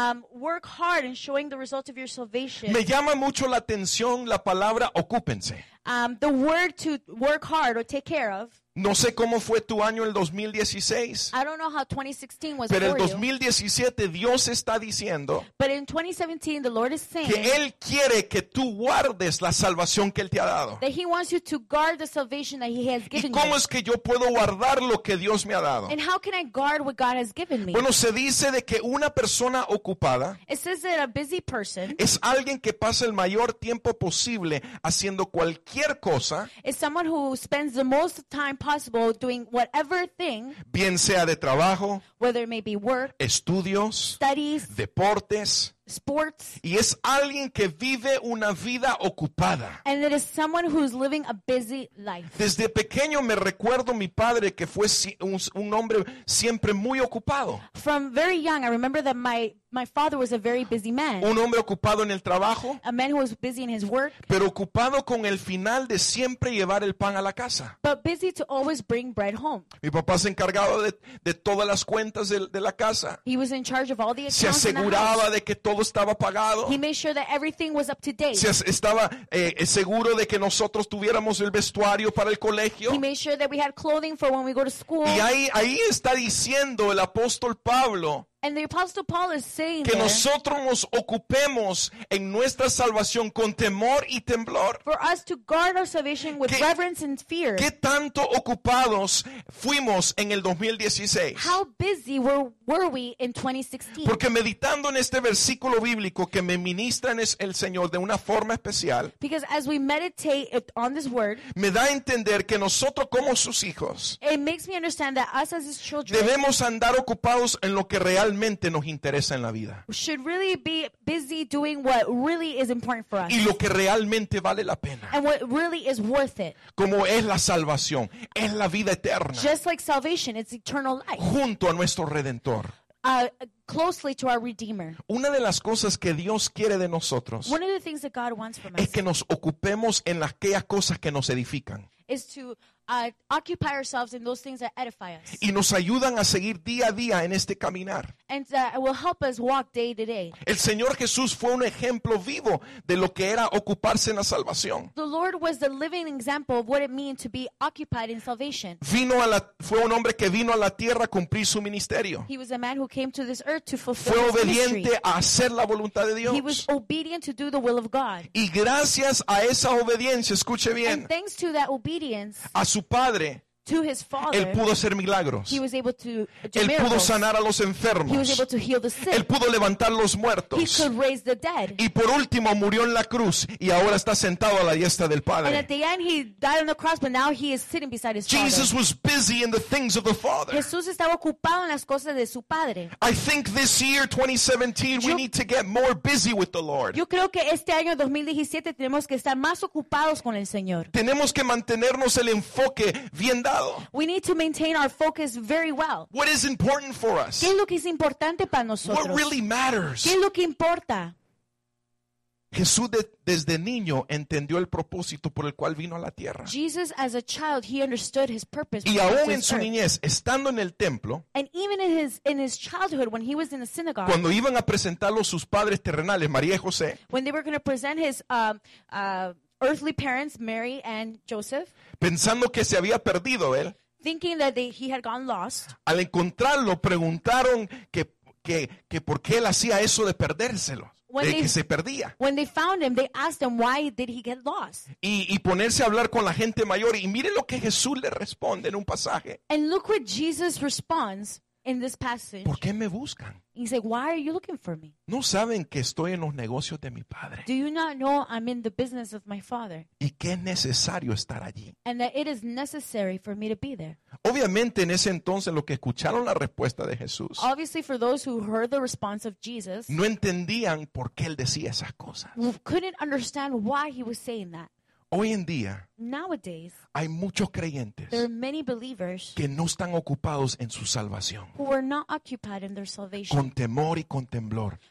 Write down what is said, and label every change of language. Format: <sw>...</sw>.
<en>Work hard in showing the result of your salvation.</en> <es>Me llama mucho la atención la palabra ocúpense.</es> <en>The word to work hard or take care of.</en> <es>No sé cómo fue tu año el 2016.</es> <en>I don't know how 2016 was.</en> <es>Pero</es> <en>for</en> <es>el 2017</es> <en>you.</en> <es>Dios está diciendo.</es> <en>But in 2017 the Lord is saying</en> <es>que él quiere que tú guardes la salvación que él te ha dado.</es> <en>That he wants you to guard the salvation that he has given you.</en> <es>¿Y cómo es que yo puedo guardar lo que Dios me ha dado?</es> <en>And how can I guard what God has given me?</en> <es>Bueno, se dice de que una persona ocupada.</es> <en>It says that a busy person</en> <es>es alguien que pasa el mayor tiempo posible haciendo cualquier cosa.</es> <en>Is someone who spends the most time possible doing whatever thing,</en> <es>bien sea de trabajo,</es> <en>whether it may be work,</en> <es>estudios,</es> <en>studies,</en> <es>deportes,</es> <en>sports,</en> <es>y es alguien que vive una vida ocupada.</es> <en>And it is someone who's living a busy life.</en> <es>Desde pequeño me recuerdo mi padre que fue un hombre siempre muy ocupado.</es> <en>From very young I remember that my father was a very busy man.</en> <es>Un hombre ocupado en el trabajo.</es> <en>A man who was busy in his work.</en> <es>Pero ocupado con el final de siempre llevar el pan a la casa.</es> <en>But busy to always bring bread home.</en> <es>Mi papá se encargaba de todas las cuentas de la casa.</es> <en>He was in charge of all the accounts.</en> <es>Se aseguraba de que todo estaba pagado.</es> <en>He made sure that everything was up to date.</en> <es>Se estaba seguro de que nosotros tuviéramos el vestuario para el colegio.</es> <en>He made sure that we had clothing for when we go to school.</en> <es>Y ahí está diciendo el apóstol Pablo.</es> <en>And the Apostle Paul is saying</en> <es>que nosotros nos ocupemos en nuestra salvación con temor y temblor.</es> <en>For us to guard our salvation with reverence and fear.</en> <es>¿Qué tanto ocupados fuimos en el 2016?</es> <en>How busy were we in 2016?</en> <es>Porque meditando en este versículo bíblico que me ministra el Señor de una forma especial.</es> <en>Because as we meditate on this word.</en> <es>Me da a entender que nosotros como sus hijos.</es> <en>It makes me understand that us as his children.</en> <es>Debemos andar ocupados en lo que realmente nos interesa en la vida.</es> <en>Should really be busy doing what really is important for us.</en> <es>Y lo que realmente vale la pena.</es> <en>And what really is worth it.</en> <es>Como es la salvación, es la vida eterna.</es> <en>Just like salvation, it's eternal life.</en> <es>Junto a nuestro Redentor.</es> <en>closely to our Redeemer.</en> <es>Una de las cosas que Dios quiere de nosotros es que nos ocupemos en aquellas cosas que nos edifican.</es> <en>Is to occupy ourselves in those things that edify us.</en> <es>Y nos ayudan a seguir día a día en este caminar.</es> <en>And will help us walk day to day.</en> <es>El Señor Jesús fue un ejemplo vivo de lo que era ocuparse en la salvación.</es> <en>The Lord was the living example of what it means to be occupied in salvation.</en> <es>Fue un hombre que vino a la tierra a cumplir su ministerio.</es> <en>He was a man who came to this earth to fulfill his</en> <es>ministry. Fue obediente a hacer la voluntad de Dios.</es> <en>He was obedient to do the will of God.</en> <es>Y gracias a esa obediencia, escuche bien.</es> <en>And thanks to that obedience.</en> <es>A su padre,</es> <en>to his father,</en> <es>él pudo hacer milagros.</es> <en>He was able to do</en> <es>él pudo</es> <en>miracles.</en> <es>Sanar a los enfermos.</es> <en>He was able to heal the sick.</en> <es>Él pudo levantar los muertos.</es> <en>He could raise the dead.</en> <es>Y por último murió en la cruz y ahora está sentado a la diestra del Padre.</es> <en>And at the end he died on the cross, but now he is sitting beside his Jesus father. Jesus was busy in the things of the Father.</en> <es>Jesús estaba ocupado en las cosas de su padre.</es> <en>I think this year 2017 we need to get more busy with the Lord.</en> <es>Yo creo que este año 2017 tenemos que estar más ocupados con el Señor. Tenemos que mantenernos el enfoque bien dado.</es> <en>We need to maintain our focus very well. What is important for us?</en> <es>¿Qué es lo que es importante para nosotros?</es> <en>What really matters?</en> <es>¿Qué es lo que importa? Jesús desde niño entendió el propósito por el cual vino a la tierra.</es> <en>Jesus, as a child, he understood his purpose.</en> <es>Y aún en su niñez, estando en el templo,</es> <en>and even in his childhood when he was in the synagogue,</en> <es>cuando iban a presentarlo sus padres terrenales, María y José,</es> <en>when they were going to present his earthly parents, Mary and Joseph,</en> <es>pensando que se había perdido él,</es> <en>thinking that he had gone lost,</en> <es>al encontrarlo preguntaron que por qué él hacía eso de perdérselo, que se perdía.</es> <en>When they found him, they asked him why did he get lost.</en> <es>Y ponerse a hablar con la gente mayor y mire lo que Jesús le responde en un pasaje.</es> <en>And look what Jesus responds in this passage.</en> <es>¿Por qué me buscan?</es> <en>He said, why are you looking for me?</en> <es>¿No saben que estoy en los negocios de mi padre?</es> <en>Do you not know I'm in the business of my father?</en> <es>¿Y que es necesario estar allí?</es> <en>And that it is necessary for me to be there.</en> <es>Obviamente en ese entonces los que escucharon la respuesta de Jesús,</es> <en>obviously for those who heard the response of Jesus,</en> <es>no entendían por qué él decía esas cosas.</es> <en>Couldn't understand why he was saying that.</en> <es>Hoy en día,</es> <en>nowadays,</en> <es>hay muchos creyentes,</es> <en>there are many believers,</en> <es>que no están ocupados en su salvación,</es> <en>who are not occupied in their salvation,</en> <es>con temor y con temblor,</es>